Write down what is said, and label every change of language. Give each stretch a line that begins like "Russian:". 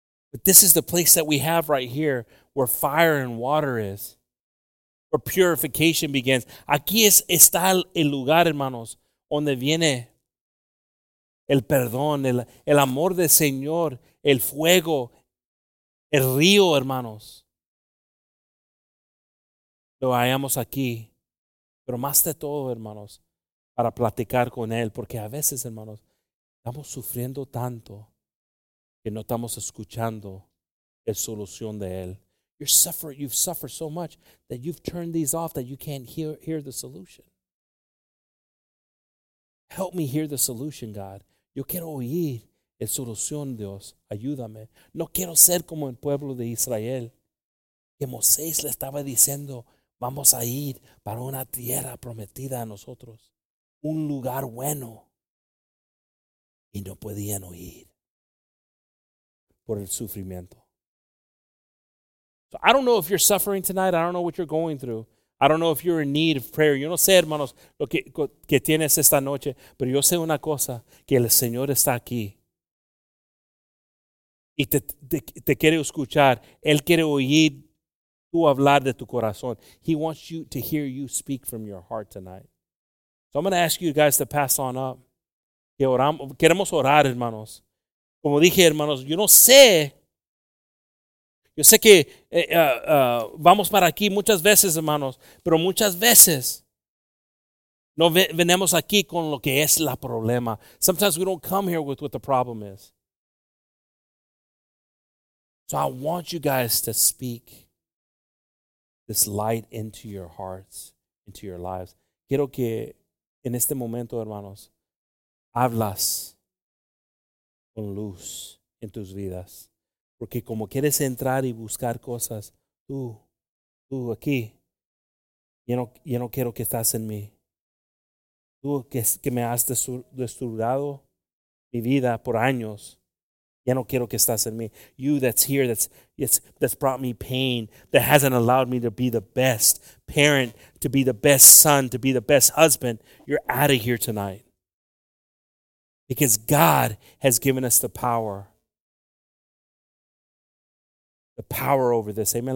English: But this is the place that we have right here where fire and water is, where purification begins.
Spanish: Aquí está el lugar, hermanos, donde viene el perdón, el amor del Señor, el fuego, el río, hermanos. Lo hallamos aquí, pero más de todo, hermanos, para platicar con Él. Porque a veces, hermanos, estamos sufriendo tanto que no estamos escuchando la solución de Él.
English: You've suffered so much that you've turned these off, that you can't hear the solution. Help me hear the solution, God.
Spanish: Yo quiero oír la solución, Dios. Ayúdame. No quiero ser como el pueblo de Israel, que Moisés le estaba diciendo, vamos a ir para una tierra prometida a nosotros. Un lugar bueno. Y no podían oír. Por el sufrimiento.
English: So I don't know if you're suffering tonight. I don't know what you're going through. I don't know if you're in need of prayer.
Spanish: Yo no sé, hermanos, lo que tienes esta noche. Pero yo sé una cosa. Que el Señor está aquí. Y te quiere escuchar. Él quiere oír. Hablar de tu corazón.
English: He wants you to hear you speak from your heart tonight. So I'm going to ask you guys to pass on up.
Spanish: Queremos orar, hermanos. Como dije, hermanos, yo sé que vamos para aquí muchas veces, hermanos, pero muchas veces no venimos aquí con lo que es la problema.
English: Sometimes we don't come here with what the problem is. So I want you guys to speak. this light into your hearts, into your lives.
Spanish: Quiero que en este momento, hermanos, hablas con luz en tus vidas. Porque como quieres entrar y buscar cosas, tú aquí, yo no quiero que estás en mí. Tú que me has destruido mi vida por años, ya no quiero que estás en mí.
English: You that's here, that's brought me pain, that hasn't allowed me to be the best parent, to be the best son, to be the best husband, you're out of here tonight. Because God has given us the power over this. Amen.